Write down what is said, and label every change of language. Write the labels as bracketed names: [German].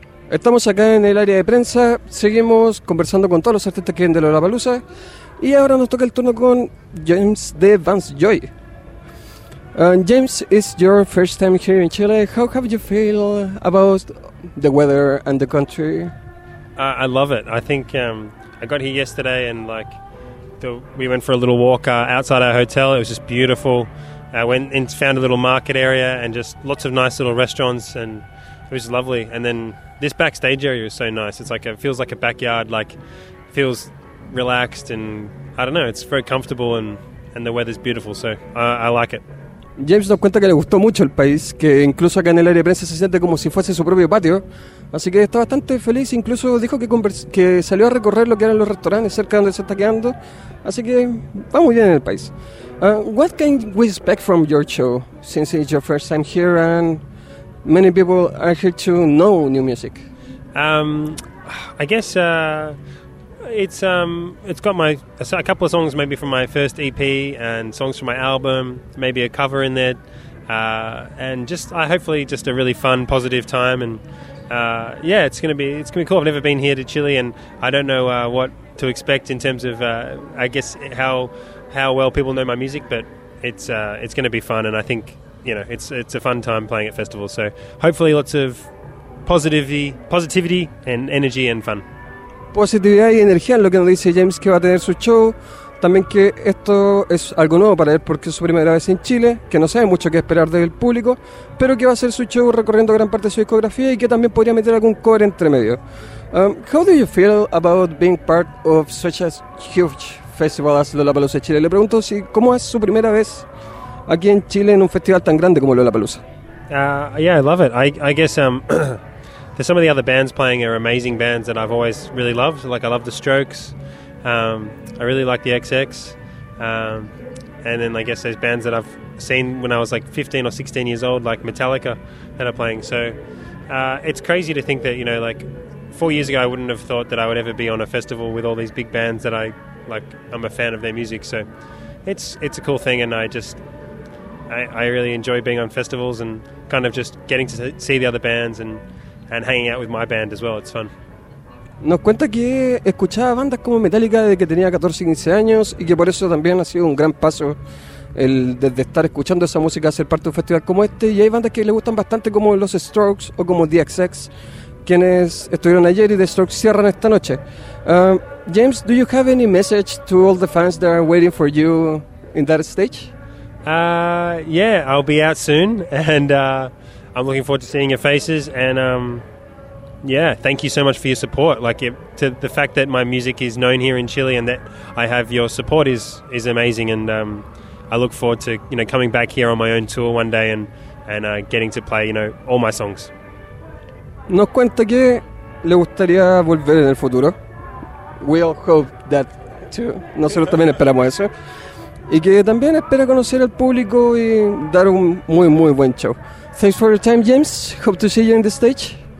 [Spanish] Estamos acá en el área de prensa, seguimos conversando con todos los artistas que vienen de Lollapalooza y ahora nos toca el turno con James de Vance Joy. [English] James, it's your first time here in Chile. How have you feel about the weather and the country? I love it. I think I got here yesterday and like we went for a little walk outside our hotel. It was just beautiful. I went and found a little market area and just lots of nice little restaurants, and it was lovely. And then this backstage area is so nice. It's like, it feels like a backyard, like feels relaxed, and I don't know, it's very comfortable, and the weather's beautiful, so I like it. [Spanish] James nos cuenta que le gustó mucho el país, que incluso acá en el área de prensa se siente como si fuese su propio patio, así que está bastante feliz. Incluso dijo que salió a recorrer lo que eran los restaurantes cerca donde se está quedando, así que va muy bien en el país. [English] What can we expect from your show, since it's your first time here and many people are here to know new music? I guess it's got a couple of songs maybe from my first EP and songs from my album, maybe a cover in there, and just hopefully just a really fun, positive time, and yeah, it's gonna be cool. I've never been here to Chile, and I don't know what to expect in terms of I guess how well people know my music, but it's gonna be fun, and I think, you know, it's a fun time playing at festivals. So hopefully lots of positivity and energy and fun. [Spanish] Positividad y energía es lo que nos dice James que va a tener su show. También que esto es algo nuevo para él porque es su primera vez en Chile, que no sabe mucho qué esperar del público, pero que va a hacer su show recorriendo gran parte de su discografía y que también podría meter algún cover entre medio. [English] How do you feel about being part of such a huge festival as Lollapalooza Chile? [Spanish] Le pregunto si cómo es su primera vez aquí en Chile en un festival tan grande como Lollapalooza. [English] Yeah, I love it. I guess there's some of the other bands playing are amazing bands that I've always really loved. Like, I love The Strokes. I really like The XX. And then I guess there's bands that I've seen when I was like 15 or 16 years old, like Metallica, that are playing. So it's crazy to think that, you know, like 4 years ago, I wouldn't have thought that I would ever be on a festival with all these big bands that I like. I'm a fan of their music. So it's a cool thing. And I really enjoy being on festivals and kind of just getting to see the other bands and hanging out with my band as well. It's fun. [Spanish] Nos cuenta que escuchaba bandas como Metallica desde que tenía 14, 15 años y que por eso también ha sido un gran paso el desde estar escuchando esa música a ser parte de un festival como este. Y hay bandas que le gustan bastante como los Strokes o como The XX, quienes estuvieron ayer, y The Strokes cierran esta noche. [English] James, do you have any message to all the fans that are waiting for you in that stage? Yeah, I'll be out soon, and I'm looking forward to seeing your faces, and yeah, thank you so much for your support. Like, to the fact that my music is known here in Chile and that I have your support is amazing, and I look forward to, you know, coming back here on my own tour one day and getting to play, you know, all my songs. [Spanish] Nos cuenta que le gustaría volver en el futuro. [English] We all hope that too. [Spanish] Nosotros también esperamos eso. Y que también espera conocer al público y dar un muy, muy buen show. [English] Thanks for your time, James. Hope to see you in the stage.